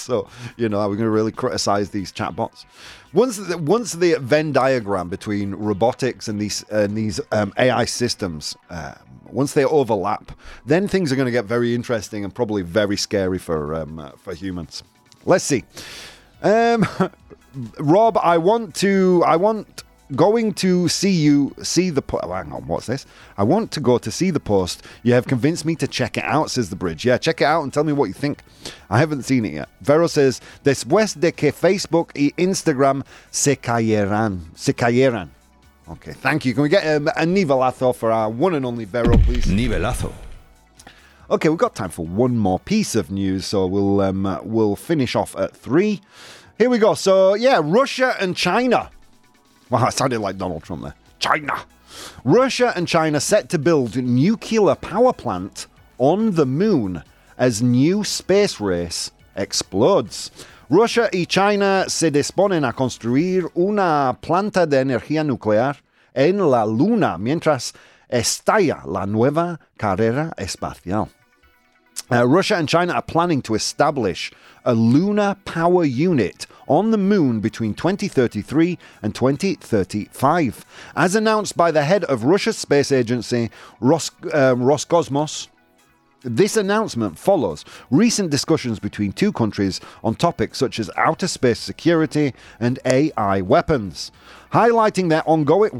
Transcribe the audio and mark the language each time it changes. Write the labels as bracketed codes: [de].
[en] So, you know, are we going to really criticize these chatbots? Once the Venn diagram between robotics and these AI systems, once they overlap, then things are going to get very interesting and probably very scary for humans. Let's see. Rob, I want to go to see the post. You have convinced me to check it out, says The Bridge. Yeah, check it out and tell me what you think. I haven't seen it yet. Vero says, [es] después de que Facebook y Instagram se cayeran. [en] Okay, thank you. Can we get a nivelazo for our one and only Vero, please? [es] Nivelazo. [en] Okay, we've got time for one more piece of news, so we'll finish off at 3. Here we go. So, yeah, Russia and China. Wow, I sounded like Donald Trump there. China. Russia and China set to build nuclear power plant on the moon as new space race explodes. [es] Russia y China se disponen a construir una planta de energía nuclear en la luna mientras estalla la nueva carrera espacial. [en] Russia and China are planning to establish a lunar power unit on the moon between 2033 and 2035. As announced by the head of Russia's space agency, Roscosmos, this announcement follows recent discussions between two countries on topics such as outer space security and AI weapons, highlighting their ongoing...